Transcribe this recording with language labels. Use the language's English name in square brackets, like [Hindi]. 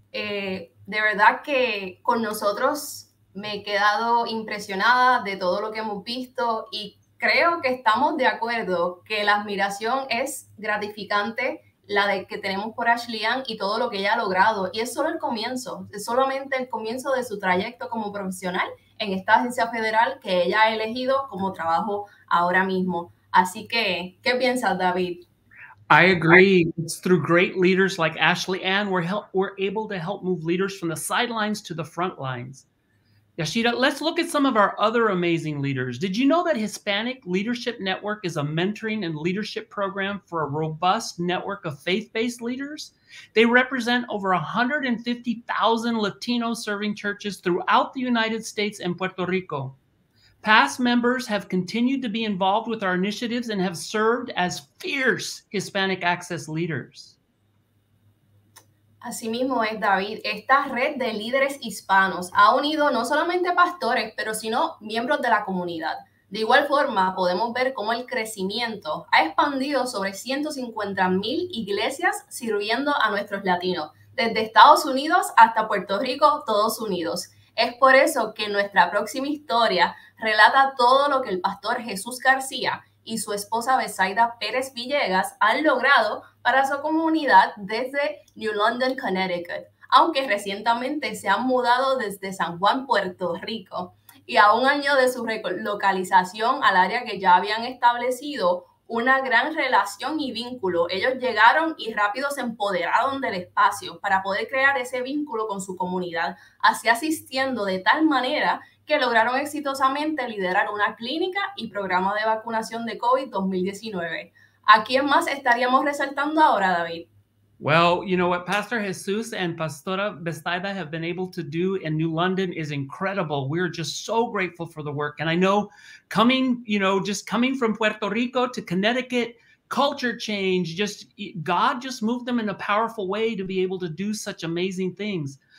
[Spanish] De verdad que con nosotros me he quedado impresionada de todo lo que hemos visto y creo que estamos de acuerdo que la admiración es gratificante, la de que tenemos por Ashley-Ann y todo lo que ella ha logrado. Y es solo el comienzo, es solamente el comienzo de su trayecto como profesional en esta agencia federal que ella ha elegido como trabajo ahora mismo. Así que, ¿qué piensas, David? [English] I agree. It's through great leaders like Ashley-Ann we're able to help move leaders from the sidelines to the front lines. Yashida, let's look at some of our other amazing leaders. Did you know that Hispanic Leadership Network is a mentoring and leadership program for a robust network of faith-based leaders? They represent over 150,000 Latino serving churches throughout the United States and Puerto Rico. Past members have continued to be involved with our initiatives and have served as fierce Hispanic Access leaders. [Spanish] Asimismo es, David, esta red de líderes hispanos ha unido no solamente pastores, pero sino miembros de la comunidad. De igual forma, podemos ver cómo el crecimiento ha expandido sobre 150,000 iglesias sirviendo a nuestros latinos, desde Estados Unidos hasta Puerto Rico, todos unidos. Es por eso que nuestra próxima historia relata todo lo que el pastor Jesús García y su esposa Besaida Pérez Villegas han logrado para su comunidad desde New London, Connecticut, aunque recientemente se han mudado desde San Juan, Puerto Rico. Y a un año de su relocalización al área que ya habían establecido una gran relación y vínculo, ellos llegaron y rápido se empoderaron del espacio para poder crear ese vínculo con su comunidad, así asistiendo de tal manera que lograron exitosamente liderar una clínica y programa de vacunación de COVID 2019. ¿A quién más estaríamos resaltando ahora, David? [English] Well, you know what Pastor Jesus and Pastora Bestaida have been able to do in New London is incredible. We're just so grateful for the work. And I know coming, you know, just coming from Puerto Rico to Connecticut, culture change, just God just moved them in a powerful way to be able to do such amazing things.